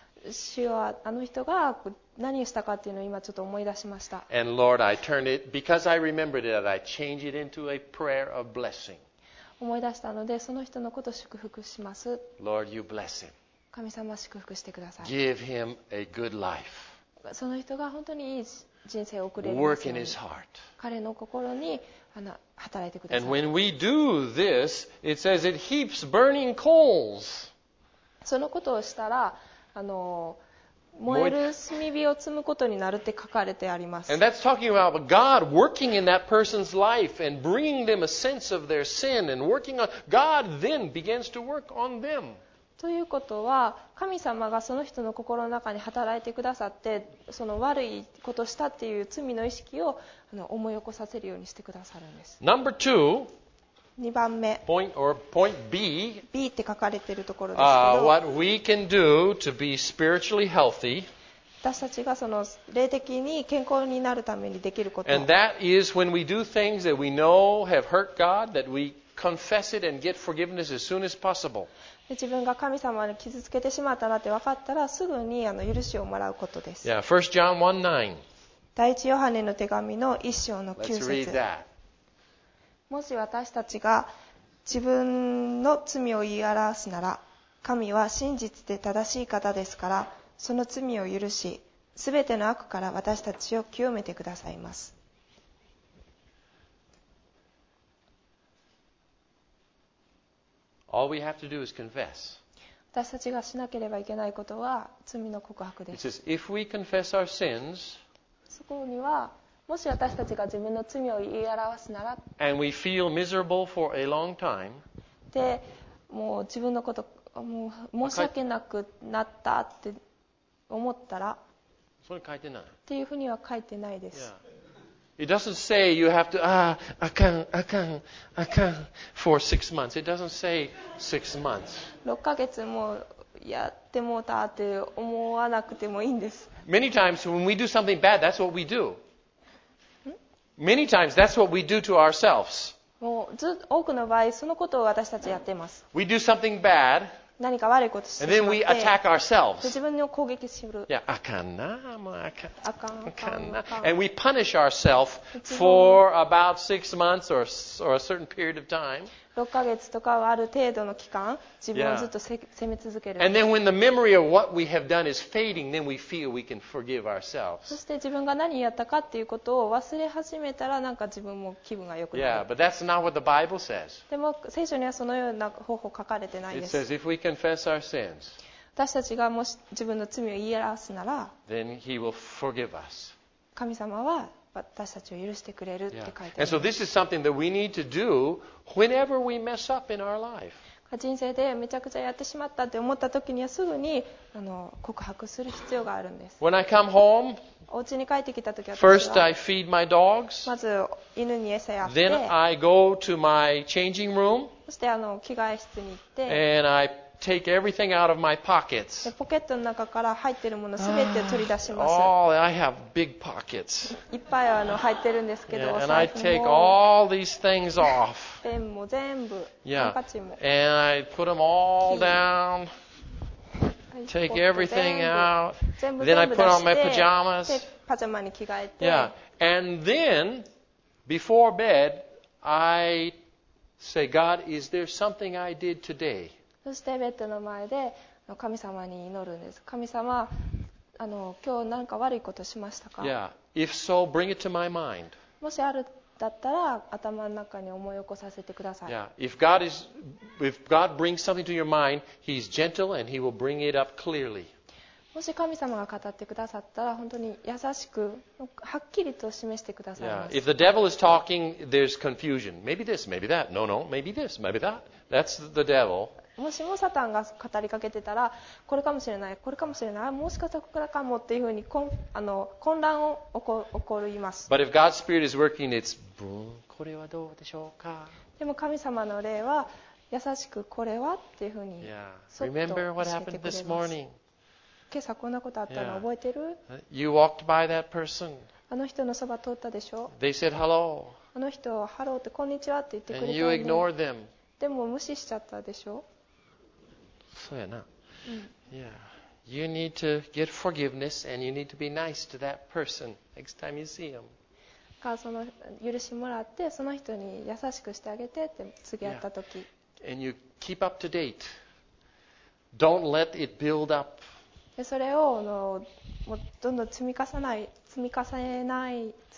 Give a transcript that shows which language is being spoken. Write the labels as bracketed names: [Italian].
[Japanese] 主はあの人が何をしたかっていうのを今ちょっと思い出しました。 [English] And Lord, I turned it because I remembered it. I changed it into a prayer of blessing. [Japanese] 思い出したのでその人のことを祝福します。 [English] Lord, you bless him. [Japanese] 神様祝福してください。 [English] Give him a good life. [Japanese] その人が本当にいい人生を送れるように。 [English] Work in his heart. [Japanese] 彼の心に働いてください。 [English] And when we do this, it says it heaps burning coals. [Japanese] そのことをしたら。燃える炭火を積むことになるって書かれてあります。 [English] And that's talking about God working in that person's life and bringing them a sense of their sin and working on God then begins to work on them. [Japanese] ということは神様がその人の心の中に働いてくださってその悪いことしたっていう罪の意識を思い起こさせるようにしてくださるんです。 [English] Number two. [Japanese] 2番目 [English] point or point B, [Japanese] B って書かれているところですけど、 [English] what we can do to be spiritually healthy, [Japanese] 私たちがその霊的に健康になるためにできること、 [English] and that is when we do things that we know have hurt God, that we confess it and get forgiveness as soon as possible. [Japanese] 自分が神様に傷つけてしまったなって分かったらすぐに許しをもらうことです。 [English] Yeah, 1 John 1:9. [Japanese] 第一ヨハネの手紙の一章の9節。 [English] Let's read that. [Japanese] もし私たちが自分の罪を言い表すなら、神は真実で正しい方ですから、その罪を許し、すべての悪から私たちを清めてくださいます。 [English] All we have to do is confess. [Japanese] 私たちがしなければいけないことは罪の告白です。 [English] It says, if we confess our sins, [Japanese] そこにはもし私たちが自分の罪を言い表すなら、 [English] And we feel miserable for a long time, [Japanese] で、もう自分のこと、もう申し訳なくなったって思ったら、それ書いてない。っていうふうには書いてないです。 [English] Yeah. It doesn't say you have to, I can't for 6 months. It doesn't say 6 months. [Japanese] 6ヶ月もやってもうたって思わなくてもいいんです。 [English] Many times when we do something bad, that's what we do. Many times, that's what we do to ourselves. [Japanese] もうずっと多くの場合、そのことを私たちやっています。 [English] We do something bad, [Japanese] 何か悪いことしてしまって、で自分を攻撃する。いや、あかんな、もうあかん。あかん、あかん。 [English] And we punish ourselves for about 6 months or a certain period of time. [Japanese] 6ヶ月とかある程度の期間、自分をずっと責め続ける。 [English] And then when the memory of what we have done is fading, then we feel we can forgive ourselves. [Japanese] そして自分が何やったかっていうことを忘れ始めたら、なんか自分も気分が良くなる。 [English] Yeah, but that's not what the Bible says. [Japanese] でも聖書にはそのような方法書かれてないです。 [English] It says if we confess our sins, [Japanese] 私たちがもし自分の罪を言い表すなら、 [English] then he will forgive us. [Japanese] 神様は私たちを許してくれるって書いてある。 [English] And so this is something that we need to do whenever we mess up in our life. [Japanese] 人生でめちゃくちゃやってしまったって思った時にはすぐに告白する必要があるんです。 [English] When I come home, [Japanese] お家に帰ってきた時は、 [English] first I feed my dogs. [Japanese] まず犬に餌やって、 [English] then I go to my changing room. [Japanese] そして着替え室に行って、 [English] and I take everything out of my pockets. [Japanese] でポケットの中から入ってるものすべて取り出します。 [English] Oh, I have big pockets. [Japanese] いっぱい入ってるんですけど、 [English] and I take all these things off. [Japanese] ペンも全部、 yeah. ハンカチも、 [English] and I put them all down. Take everything out. [Japanese] 全部 [English] then I put on my pajamas. [Japanese] パジャマに着替えて、 yeah. [English] and then before bed, I say, God, is there something I did today? [Japanese] そしてベッドの前で神様に祈るんです。神様、今日何か悪いことしましたか？ [English] Yeah. If so, bring it to my mind. [Japanese] もしあるだったら頭の中に思い起こさせてください。 Yeah. [English] If God brings something to your mind, he's gentle and he will bring it up clearly. [Japanese] もし神様が語ってくださったら本当に優しくはっきりと示してくださいます。 Yeah. [English] If the devil is talking, there's confusion. Maybe this, maybe that. No, no. Maybe this, maybe that. That's the devil. [Japanese] もしもサタンが語りかけてたら、これかもしれない、これかもしれない、もしかしたらここかもっていうふうに混乱を起こります。 [English] But if God's spirit is working, it's boom. [Japanese] これはどうでしょうか。でも神様の霊は優しくこれはっていうふうに。 Yeah. [English] Remember what happened this morning. [Japanese] 今朝こんなことあったの覚えてる？Yeah. [English] You walked by that person. [Japanese] あの人のそば通ったでしょ [English] ？They said hello. [Japanese] あの人はハローってこんにちはって言ってくれたのに。 [English] And you ignored them. [Japanese] でも無視しちゃったでしょ。そうやな。Yeah. [English] You need to get forgiveness and you need to be nice to that person next time you see him. [Japanese] か、その許しもらってその人に優しくしてあげてって次会った時。 Yeah. [English] And you keep up to date. Don't let it build up. [Japanese] でそれをもうどんどん積み重ねない。